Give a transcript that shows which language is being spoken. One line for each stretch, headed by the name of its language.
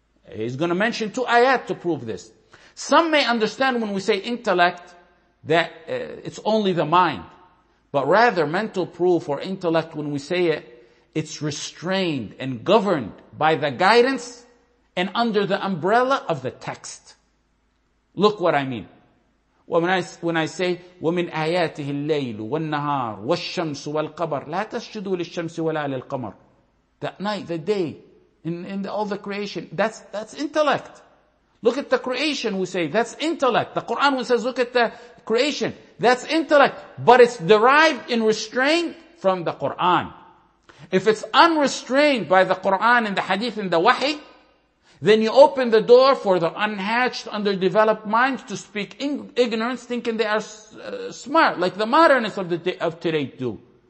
English: He's going to mention two ayat to prove this. Some may understand when we say intellect that it's only the mind. But rather, mental proof or intellect, when we say it, it's restrained and governed by the guidance and under the umbrella of the text. Look what I mean. When I say,
Arabic: وَمِنْ آيَاتِهِ اللَّيْلُ وَالنَّهَارُ وَالشَّمْسُ وَالْقَمَرُ لَا تَسْجُدُوا لِلشَّمْسِ وَلَا لِلْقَمَرُ.
English: That night, the day, in all the creation, that's intellect. Look at the creation, we say, that's intellect. The Quran says, look at the creation. That's intellect, but it's derived in restraint from the Quran. If it's unrestrained by the Quran and the hadith and the wahi, then you open the door for the unhatched, underdeveloped minds to speak ignorance, thinking they are smart, like the modernists of the day, of today do.